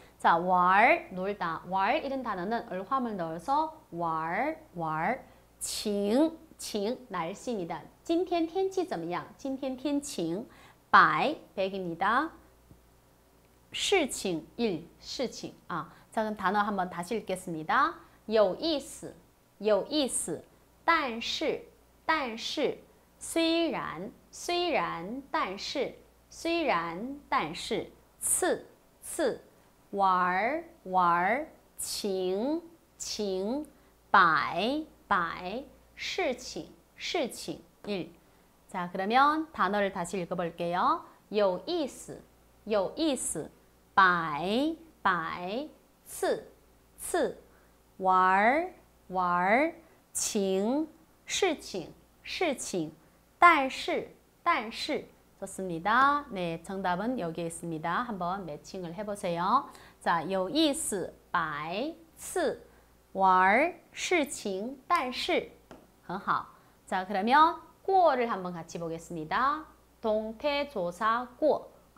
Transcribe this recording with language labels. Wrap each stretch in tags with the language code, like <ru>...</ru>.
<ko>자, 玩, 놀다, 玩, 이런 단어는 을화음을 넣어서 玩, 玩, 请, 晴 날씨입니다.</ko> <zh>今天天气怎么样?今天天晴.白</zh> <ko>백입니다. 事情 일 事情 아, 자 그럼 단어 한번 다시 읽겠습니다.</ko> <zh>有意思 有意思 但是 但是 虽然 虽然 但是 虽然 但是 次 次 玩 玩 晴 晴 白 白 事情 事情 일.</zh> <ko>자, 그러면 단어를 다시 읽어볼게요.</ko> <zh>有意思, 有意思, 白, 白, 次, 次, 玩, 玩, 情, 事情, 事情, 但是, 但是.</zh> <ko>좋습니다. 네, 정답은 여기에 있습니다. 한번 매칭을 해보세요.</ko> <zh>자, 有意思, 白, 次, 玩, 事情, 但是. 很好.</zh> <ko>자, 그러면 过를 한번 같이 보겠습니다. 동태조사 过.</ko>